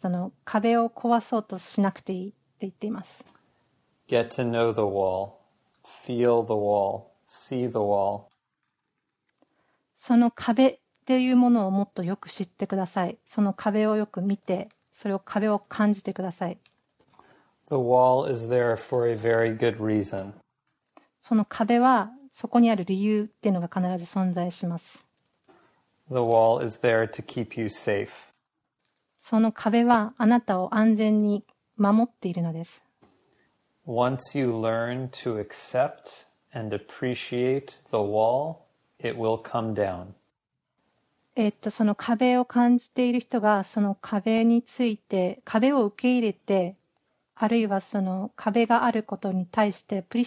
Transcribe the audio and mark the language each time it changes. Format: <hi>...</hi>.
<ja>その壁を壊そうとしなくていいって言っています。</ja> <en>Get to know the wall. Feel the wall. See the wall.</en> <ja>その壁っていうものをもっとよく知ってください。その壁をよく見て、それを壁を感じてください。</ja> <en>The wall is there for a very good reason.</en> <ja>その壁はそこにある理由っていうのが必ず存在します。</ja> <en>The wall is there to keep you safe.</en> <ja>その壁はあなたを安全に守っているのです。</ja> <en>Once you learn to accept and appreciate the wall, it will come down.</en> <ja>その壁を感じている人がその壁について壁を受け入れてあるいはその壁があることに対して</ja>